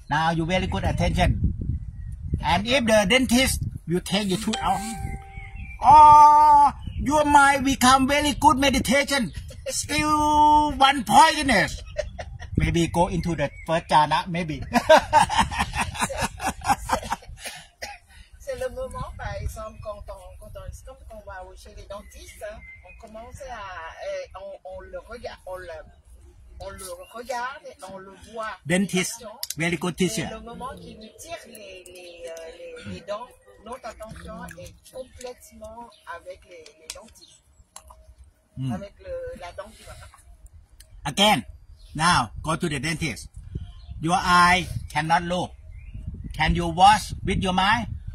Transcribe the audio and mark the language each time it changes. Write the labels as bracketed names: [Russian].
[English] Now you very good attention. And if the dentist will take your tooth out, your mind become very good meditation. Still one poisonous. Maybe go into the first jhana. Maybe. [French] C'est le moment, par exemple, quand on va chez les dentistes, on commence à on le regarde, on le voit. [English] Dentist, very good teacher. [French] Le moment qu'il nous tire les dents, notre attention est complètement avec les dentistes, avec la dent qui va. [English] Again, now go to the dentist. Your eye cannot look. Can you wash with your mind?